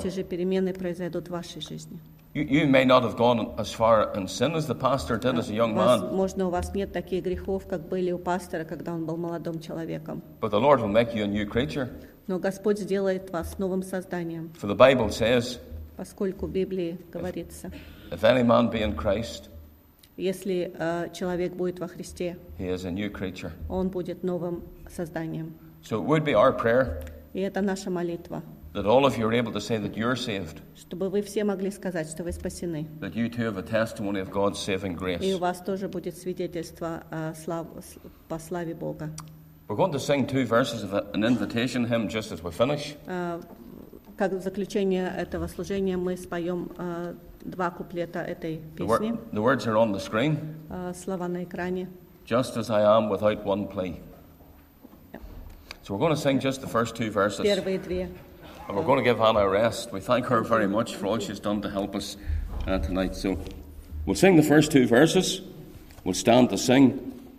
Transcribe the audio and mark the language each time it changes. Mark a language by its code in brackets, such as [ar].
[ru] Эти же перемены произойдут в вашей жизни. [en] You may not have gone as far in sin as the pastor did as a young man. [ru] Возможно, у вас нет таких грехов, как были у пастора, когда он был молодым человеком. [en] But the Lord will make you a new creature. [ru] Но Господь сделает вас новым созданием. [en] For the Bible says. [ru] Поскольку в Библии говорится. [en] If any man be in Christ. [ru] Если человек будет во Христе. [en] He is a new creature. [ru] Он будет новым созданием. [en] So it would be our prayer. [ru] И это наша молитва. [en] That all of you are able to say that you're saved. [ru] Чтобы вы все могли сказать, что вы спасены. [en] That you too have a testimony of God's saving grace. [ru] И у вас тоже будет свидетельство по славе Бога. [en] We're going to sing two verses of an invitation hymn just as we finish. [ru] Как в заключение этого служения мы споем два куплета этой песни. [en] The words are on the screen. [ru] Слова на экране. [en] Just as I am without one plea. Yep. So we're going to sing just the first two verses. [ru] Первые две. [en] And we're going to give Anna a rest. We thank her very much for all she's done to help us tonight. So we'll sing the first two verses. We'll stand to sing.